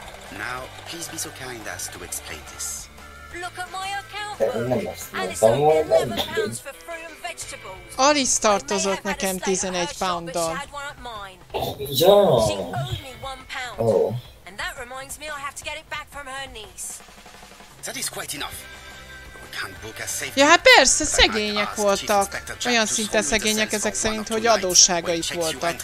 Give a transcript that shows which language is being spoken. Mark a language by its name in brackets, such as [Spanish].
[English] Now, please be so kind as to explain this. Look at my account book, and it's only 11 pounds for fruit and vegetables. [Hungarian] Alice tartozott nekem 11 pounddal. [English] Ja. She owed me 1 pound. Oh. And that reminds me I have to get it back from her niece. That is quite enough. Your account book has saved. [Hungarian] Ja, hát persze, szegények voltak. Olyan szinte szegények ezek szerint, hogy adósságaik voltak.